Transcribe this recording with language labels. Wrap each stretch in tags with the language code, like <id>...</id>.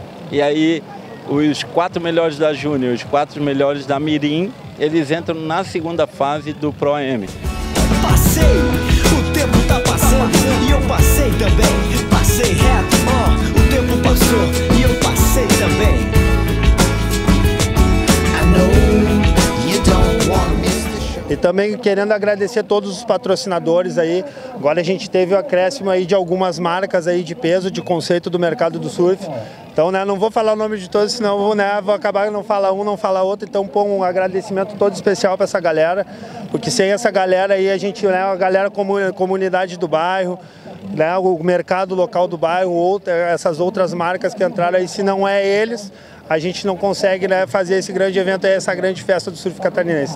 <pt>E aí, os 4 melhores da Júnior, os 4 melhores da Mirim, eles entram na segunda fase do Pro AM. Passei, o tempo tá passando, e eu passei também. Passei reto, ó, o tempo passou, e eu passei também.</pt> <en>I know you don't wanna miss the show.</en> <pt>E também querendo agradecer todos os patrocinadores aí. Agora a gente teve o acréscimo aí de algumas marcas aí de peso, de conceito do mercado do surf. Então, né, não vou falar o nome de todos, senão vou acabar não falar um, não falar outro. Então, pô, um agradecimento todo especial para essa galera, porque sem essa galera aí, a gente, né, a galera comunidade do bairro, né, o mercado local do bairro, essas outras marcas que entraram aí, se não é eles, a gente não consegue, né, fazer esse grande evento aí, essa grande festa do surf catarinense.</pt>